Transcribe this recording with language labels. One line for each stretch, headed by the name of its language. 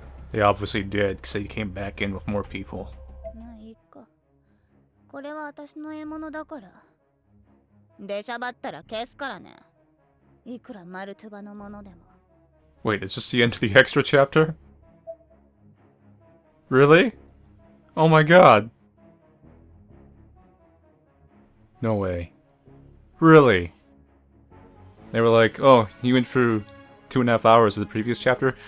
English: They obviously did, because they came back in with more people.
Japanese: これは私の獲物だから。出しゃばったら消すからね。いくらマルトゥバのものでも。
English: Wait, is this the end of the extra chapter? Really? Oh my god! No way. Really? They were like, oh, you went through 2.5 hours of the previous chapter?